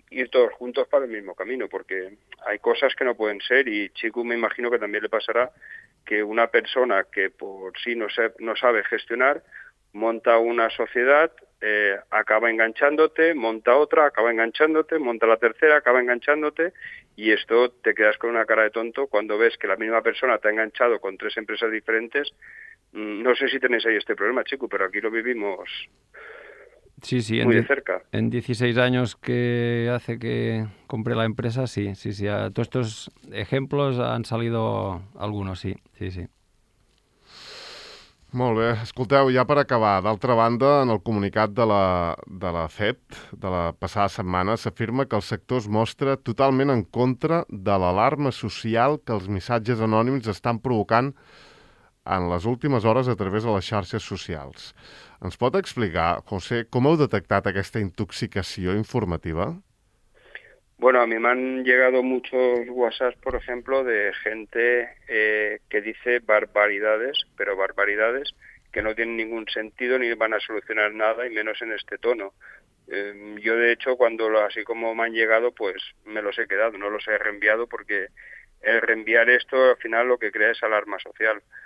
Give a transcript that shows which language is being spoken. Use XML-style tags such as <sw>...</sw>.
<es>todos juntos para el mismo camino, porque hay cosas que no pueden ser y Chico me imagino que también le pasará que una persona que por sí no sabe gestionar, monta una sociedad, acaba enganchándote, monta otra, acaba enganchándote, monta la tercera, acaba enganchándote y esto te quedas con una cara de tonto cuando ves que la misma persona te ha enganchado con tres empresas diferentes. No sé si tenéis ahí este problema, Chico, pero aquí lo vivimos sí, muy de cerca. En 16 años que hace que compré la empresa, sí. Todos estos ejemplos han salido algunos, sí.</es> <ca>Molt bé. Escolteu, ja per acabar, d'altra banda, en el comunicat de la FEP de la passada setmana s'afirma que el sector es mostra totalment en contra de l'alarma social que els missatges anònims estan provocant en les últimes hores a través de les xarxes socials. Ens pot explicar, José, com heu detectat aquesta intoxicació informativa?</ca> <es>Bueno, a mí me han llegado muchos WhatsApps, por ejemplo, de gente que dice barbaridades, pero barbaridades que no tienen ningún sentido ni van a solucionar nada, y menos en este tono. Yo, de hecho, así como me han llegado, pues me los he quedado, no los he reenviado, porque el reenviar esto al final lo que crea es alarma social.</es>